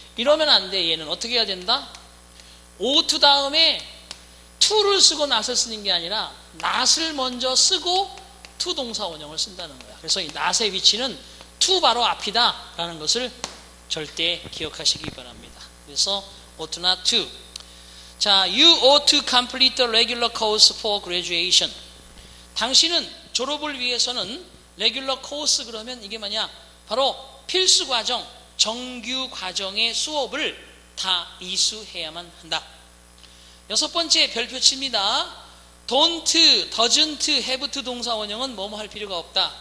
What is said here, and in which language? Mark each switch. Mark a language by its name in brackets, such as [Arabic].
[Korean] 이러면 안 돼. 얘는 어떻게 해야 된다? ought to 다음에 to를 쓰고 not을 쓰는 게 아니라 not을 먼저 쓰고 to 동사원형을 쓴다는 거야. 그래서 이 not의 위치는 to 바로 앞이다 라는 것을 절대 기억하시기 바랍니다. 그래서 ought to not to. [English] 자, you ought to complete the regular course for graduation. [Korean] 당신은 졸업을 위해서는 regular course 그러면 이게 뭐냐? 바로 필수 과정, 정규 과정의 수업을 다 이수해야만 한다. 여섯 번째 별표 칩니다. don't, doesn't, have to 동사 원형은 뭐뭐 할 필요가 없다.